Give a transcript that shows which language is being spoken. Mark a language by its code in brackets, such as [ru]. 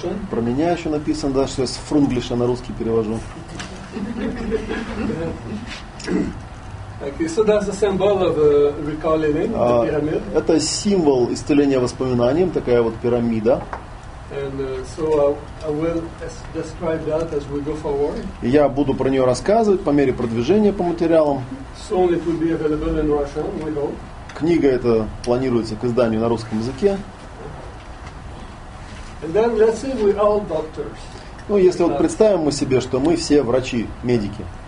[ru] про меня еще написано, да, что я с фрунглиша на русский перевожу. [en] Okay, so that's a symbol of recalling the pyramid. [ru] Это символ исцеления воспоминанием, такая вот пирамида. [en] And so I will describe that as we go forward. [ru] Я буду про нее рассказывать по мере продвижения по материалам. [en] Soon it will be available in Russian, we hope. [ru] Книга эта планируется к изданию на русском языке. [en] And then let's say we all doctors. [ru] Ну, если вот представим мы себе, что мы все врачи, медики.